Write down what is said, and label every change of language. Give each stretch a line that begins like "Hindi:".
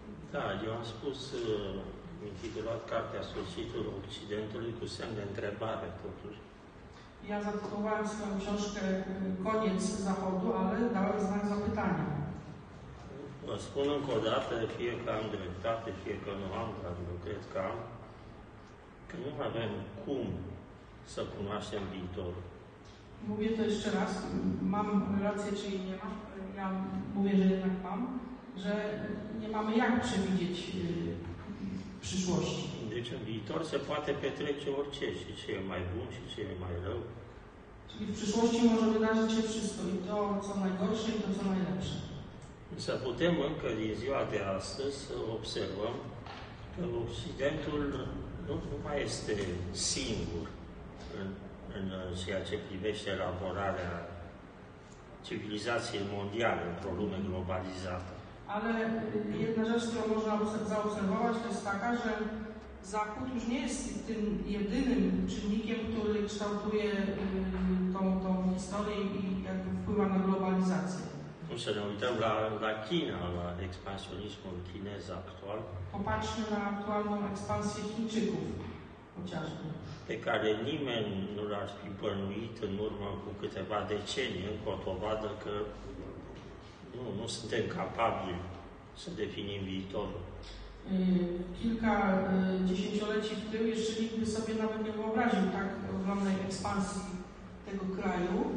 Polish: Tak,
Romanian: eu am spus, intitulat cartea Sfârșitul Occidentului cu semn de întrebare, totuși.
Polish: Ja zatytułowałem swoją książkę Koniec Zachodu, ale dałem znak zapytania.
Romanian: Vă spun încă o dată, fie că am dreptate, fie că nu am, dar eu cred că am, că nu avem cum să cunoaștem viitorul.
Polish: Mówię to jeszcze raz, mam rację, czy jej nie mam, ja mówię, że jednak mam, że nie mamy jak przewidzieć przyszłości.
Romanian: Deci în viitor se poate petrece orice, și ce e mai bun, și ce e mai rău.
Polish: Czyli w przyszłości może wydarzyć się wszystko, i to, co najgorsze, i to, co najlepsze.
Romanian: Însă putem încă din ziua de astăzi să observăm că Occidentul nu mai este singur în ceea ce privește elaborarea civilizației mondiale într-o lume globalizată.
Polish: Ale jedna rzecz, którą można zaobserwować, to jest taka, że Zachód już nie jest tym jedynym czynnikiem, który kształtuje tą historię i jakby wpływa na globalizację.
Romanian: Nu să ne uităm la China, la expansionismul chinez actual.
Polish: Popatrzmy na actualną expansję Chińczyków, chociażby.
Romanian: Pe care nimeni nu l-ar fi bănuit în urmă cu câteva decenii, încă o dovadă că nu suntem capabili să definim viitorul.
Polish: Kilka dziesięcioleci w tył jeszcze nikt by sobie nawet nie wyobraził tak ogromnej ekspansji tego kraju.